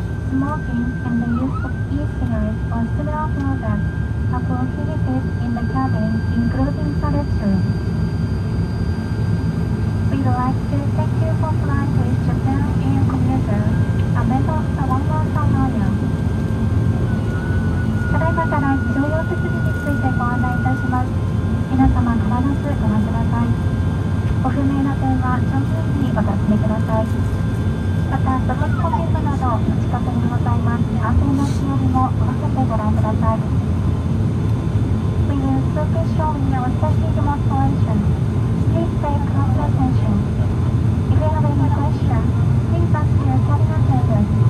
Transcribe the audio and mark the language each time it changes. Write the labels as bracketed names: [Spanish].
[English] Smoking and the use of e-cigarettes or similar products are prohibited in the cabin, including the restroom. We'd like to thank you for flying with Japan Air Commuter. [Japanese] ただいまから非常用設備についてご案内いたします。皆様必ずご覧ください。ご不明な点は十分にお尋ねください。また座席コンピュータなどお近くにございます安全な仕様にも合わせてご覧ください。 [English] We will soon be showing your safety demonstration. Please pay close attention. If you have any questions, please ask your cabin attendant.